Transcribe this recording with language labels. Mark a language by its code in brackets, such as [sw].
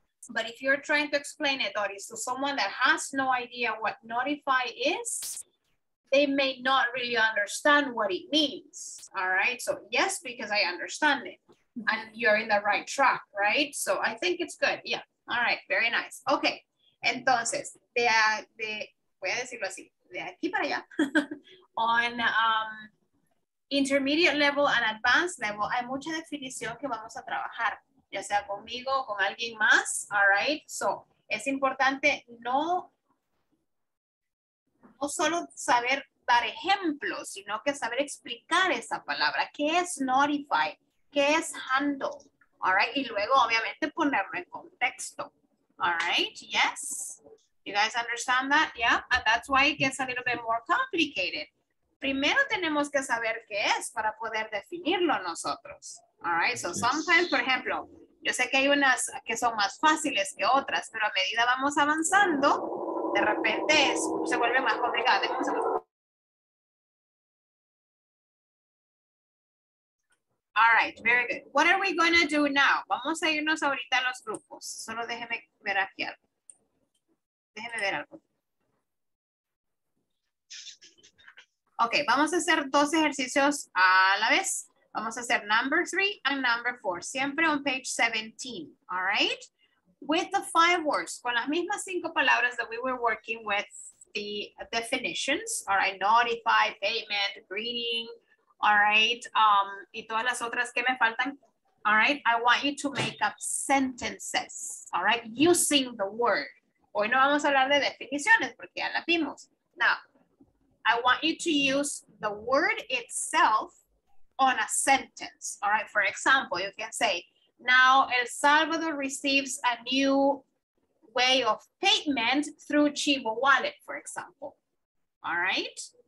[en] But if you're trying to explain it, Doris, to someone that has no idea what notify is, they may not really understand what it means, all right? So yes, because I understand it, and you're in the right track, right? So I think it's good, yeah. All right, very nice. [es] Okay, entonces, de voy a decirlo así, de aquí para allá. [en] On intermediate level and advanced level, [es] hay mucha definición que vamos a trabajar, ya sea conmigo o con alguien más, all right? So es importante no solo saber dar ejemplos, sino que saber explicar esa palabra. ¿Qué es notify? ¿Qué es handle? All right. Y luego, obviamente, ponerlo en contexto. All right. Yes. [en] You guys understand that? Yeah. And that's why it gets a little bit more complicated. [es] Primero tenemos que saber qué es para poder definirlo nosotros. All right. So sometimes, por ejemplo, yo sé que hay unas que son más fáciles que otras, pero a medida vamos avanzando, de repente se vuelve más complicado. [en] All right, very good. What are we going to do now? [es] Vamos a irnos ahorita a los grupos. Solo déjeme ver aquí algo. Déjeme ver algo. Okay, vamos a hacer dos ejercicios a la vez. Vamos a hacer [en] number 3 and number 4. [es] Siempre on page 17. All right? [en] With the 5 words. [es] Con las mismas 5 palabras [en] that we were working with the definitions. All right? Notify, payment, greeting. All right? [es] Y todas las otras que me faltan. [en] All right? I want you to make up sentences. All right? Using the word. [es] Hoy no vamos a hablar de definiciones porque ya las vimos. [en] Now, I want you to use the word itself on a sentence, all right? For example, you can say, now El Salvador receives a new way of payment through Chivo Wallet, for example, all right?